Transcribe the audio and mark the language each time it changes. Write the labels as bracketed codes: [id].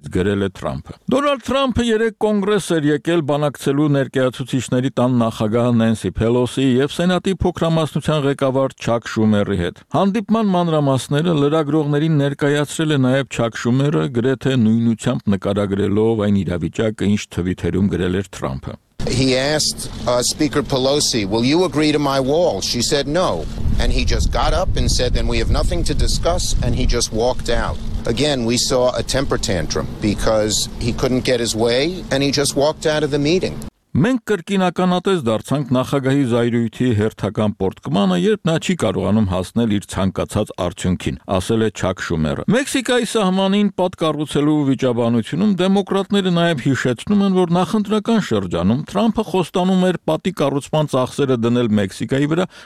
[hy] գրել է Թրամփը։ Դոնալդ Թրամփը երեկ կոնգրես էր եկել բանակցելու ներկայացուցիչների տան նախագահ Նենսի Փելոսի եւ սենատի փոքրամասնության ղեկավար Չակ Շումերի հետ։ Հանդիպման մանրամասները լրագրողներին ներկայացրել է նաև Չակ Շումերը, գրեթե նույնությամբ նկարագրելով այն իրավիճակը, ինչ Թվիթերում գրել էր Թրամփը։ [en] He asked Speaker Pelosi, "Will you agree to my wall?" She said no, and he just got up and said, "Then we have nothing to discuss," and he just walked out. Again, we saw a temper tantrum because he couldn't get his way and he just walked out of the meeting. [hy] Մենք կրկինականատես դարձանք նախագահի զայրույթի հերթական պորտկմանը, երբ նա չի կարողանում հասնել իր ցանկացած արդյունքին, ասել է Չակ Շումերը։ Մեքսիկայի սահմանին պատկառուցելու վիճաբանությունում դեմոկրատները նաև հիշեցնում են, որ նախընտրական շրջանում Թրամփը խոստանում էր պատի կառուցման ծախսերը դնել Մեքսիկայի վրա,